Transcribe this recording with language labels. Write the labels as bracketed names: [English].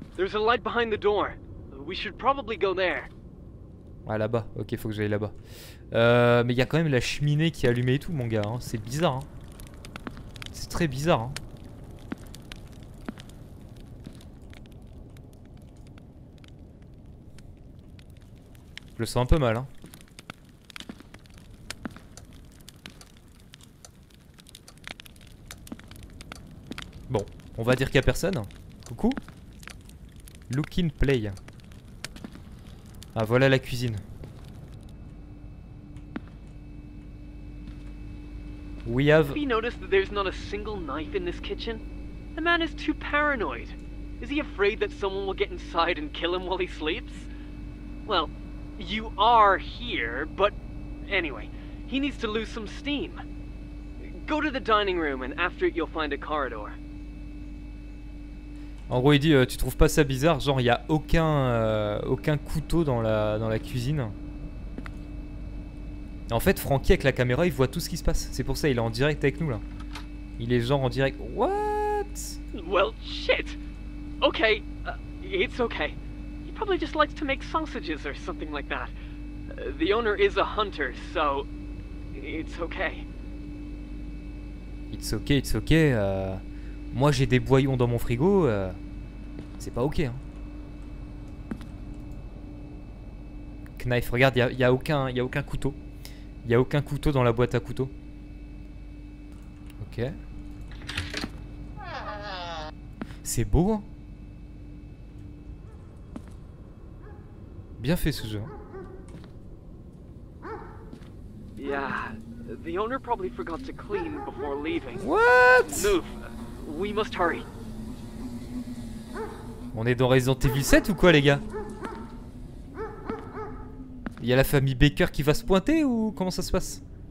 [English] There's a light behind the door. We should probably go there. [French] Ah là-bas, ok, faut que j'aille là-bas. Mais il y a quand même la cheminée qui est allumée et tout, mon gars. Hein. C'est bizarre. Hein. C'est très bizarre. Hein. Je le sens un peu mal. Hein. Bon, on va dire qu'il y a personne. Coucou. [English] Look in play. [French] Ah, voilà la cuisine. [English] We have... Have you noticed that there's not a single knife in this kitchen? The man is too paranoid. Is he afraid that someone will get inside and kill him while he sleeps? Well, you are here, but anyway, he needs to lose some steam. Go to the dining room and after it you'll find a corridor. [French] En gros, il dit, tu trouves pas ça bizarre? Genre, il y a aucun couteau dans la cuisine. En fait, Frankie avec la caméra, il voit tout ce qui se passe. C'est pour ça, il est en direct avec nous là. Il est genre en direct. What? [English] Well, shit. Okay, it's okay. He probably just likes to make sausages or something like that. The owner is a hunter, so it's okay. It's okay, it's okay. [French] Moi, j'ai des boyons dans mon frigo. C'est pas ok. Hein. Knife, regarde, y a aucun couteau. Il n'y a aucun couteau dans la boîte à couteaux. Ok. C'est beau, hein. Bien fait ce jeu. [English] Yeah, the owner probably forgot to clean before leaving. What? Move. We must hurry. [French] On est dans Resident Evil 7 ou quoi les gars? Il y a la famille Baker qui va se pointer ou comment ça se passe?